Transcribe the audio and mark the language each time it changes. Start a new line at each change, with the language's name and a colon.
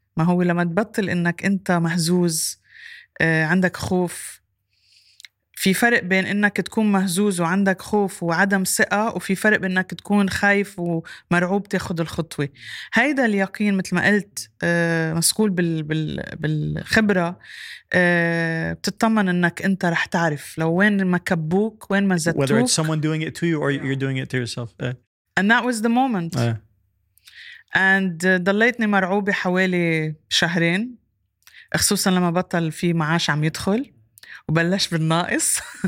Arabic: ما هو لما تبطل انك انت مهزوز عندك خوف، في فرق بين انك تكون مهزوز وعندك خوف وعدم ثقه، وفي فرق بين انك تكون خايف ومرعوب تاخذ الخطوه. هيدا اليقين مثل ما قلت مسؤول بالخبره، بتطمن انك انت رح تعرف لو وين ما كبوك، وين ما زتوك.
English: Whether it's someone doing it to you or you're doing it to yourself. And that was the moment.
Arabic: And ضليتني مرعوبه حوالي شهرين، خصوصا لما بطل في معاش عم يدخل وبلش بالناقص.